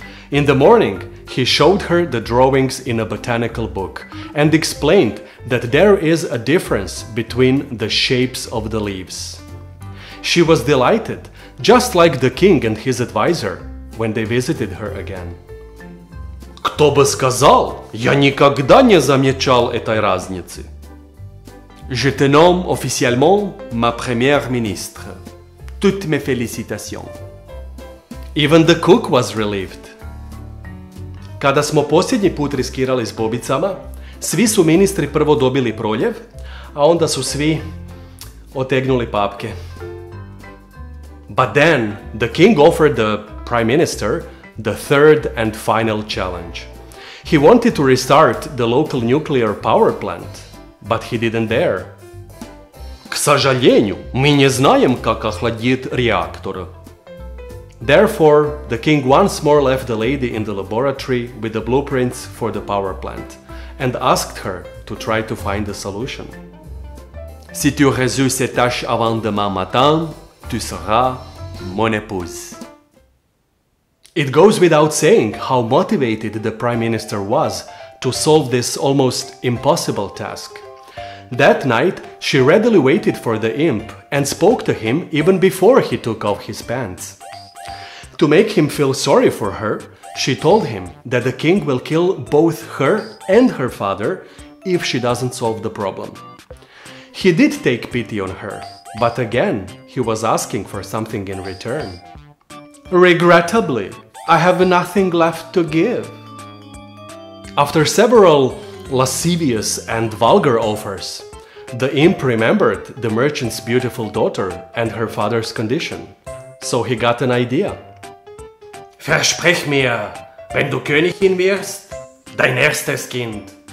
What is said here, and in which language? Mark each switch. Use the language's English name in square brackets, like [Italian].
[English] In the morning, he showed her the drawings in a botanical book and explained that there is a difference between the shapes of the leaves. She was delighted, just like the king and his advisor, when they visited her again. [Russian] Кто бы сказал, я никогда не замечал этой разницы. [French] Je te nomme officiellement ma première ministre. Toutes mes félicitations. [English] Even the cook was relieved. [Croatian] Kada smo posljednji put riskirali s bobicama, svi su ministri prvo dobili proljev, a onda su svi otegnuli papke. [English] But then, the king offered the prime minister the third and final challenge. He wanted to restart the local nuclear power plant, but he didn't dare. [Russian] К сожалению, мы не знаем, как охладить реактор. [English] Therefore, the king once more left the lady in the laboratory with the blueprints for the power plant and asked her to try to find a solution. [French] Si tu résous cette tâche avant demain matin, tu seras mon épouse. [English] It goes without saying how motivated the prime minister was to solve this almost impossible task. That night, she readily waited for the imp and spoke to him even before he took off his pants. To make him feel sorry for her, she told him that the king will kill both her and her father if she doesn't solve the problem. He did take pity on her, but again, he was asking for something in return. Regrettably, I have nothing left to give. After several lascivious and vulgar offers, the imp remembered the merchant's beautiful daughter and her father's condition, so he got an idea. [German] Versprech mir, wenn du Königin wirst, dein erstes Kind.